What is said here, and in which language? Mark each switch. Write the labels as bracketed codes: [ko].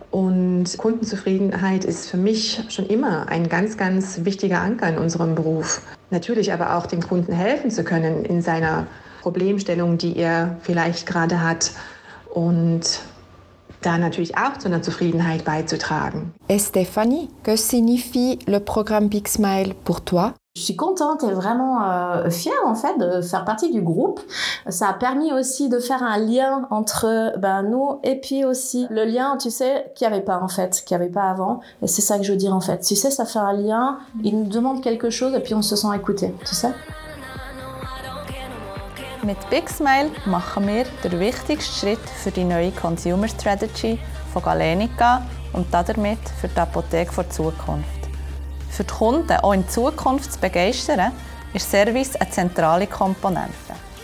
[de] Und Kundenzufriedenheit ist für mich schon immer ein ganz, ganz wichtiger Anker in unserem Beruf. Natürlich aber auch dem Kunden helfen zu können in seiner Problemstellung, die er vielleicht gerade hat. Und da natürlich auch zu einer Zufriedenheit beizutragen. [fr] Et Stéphanie, que signifie le programme bigsmile pour toi? Je suis contente et vraiment fière en fait de faire partie du groupe. Ça a permis aussi de faire un lien entre ben nous et puis aussi le lien, tu sais, qu'il n'y avait pas avant. Et c'est ça que je veux dire en fait. Tu sais, ça fait un lien. Ils nous demandent quelque chose et puis on se sent écouté. Tu sais? [de] Mit Bigsmile machen wir den wichtigsten Schritt für die neue Consumer Strategy von Galenica und damit für die Apotheke der Zukunft. Für die Kunden auch in Zukunft zu begeistern, ist Service eine zentrale Komponente.